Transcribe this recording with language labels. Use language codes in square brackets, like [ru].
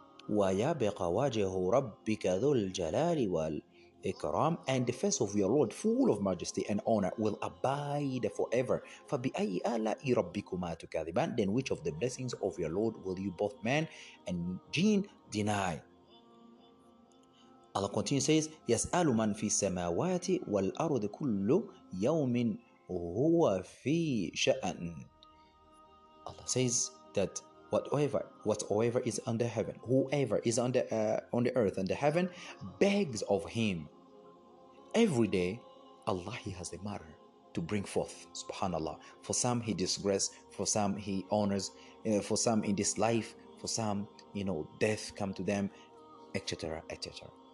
[ar] وَيَبْقَ وَجْهُ رَبِّكَ ذُو الْجَلَالِ وَالْإِكْرَامِ. [en] And the face of your Lord, full of majesty and honor, will abide forever. [ar] فَبِأَيِّ آلَاءِ رَبِّكُمَا تُكَذِّبَانِ. [en] Then which of the blessings of your Lord will you, both man and jinn, deny? Allah continues, says, [ar] يَسْأَلُ مَنْ فِي السَّمَاوَاتِ وَالْأَرْضِ كُلُّ يَوْمٍ هُوَ فِي شَأْنٍ. [en] Allah says that Whatever is under heaven, whoever is on the earth and the heaven, begs of him every day. Allah, He has a matter to bring forth. Subhanallah. For some He disgraces, for some He honors, for some in this life, for some, you know, death come to them, etc., etc.